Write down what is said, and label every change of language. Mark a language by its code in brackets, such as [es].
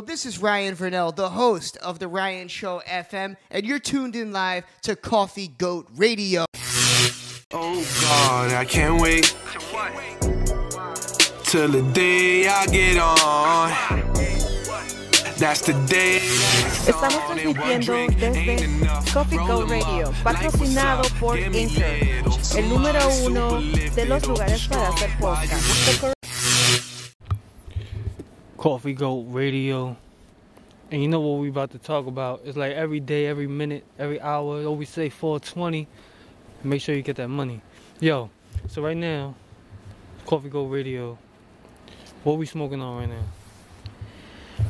[en] This is Ryan Vernell, the host of The Ryan Show FM, and you're tuned in live to Coffee Goat Radio. Oh God, I can't wait till the day I get on. That's the day. [es] Estamos transmitiendo desde Coffee Goat Radio, patrocinado por Inter, el número uno de los lugares para hacer podcast. [en] Coffee Goat Radio. And you know what we about to talk about? It's like every day, every minute, every hour. We say 420. Make sure you get that money. Yo, so right now, Coffee Goat Radio. What are we smoking on right now?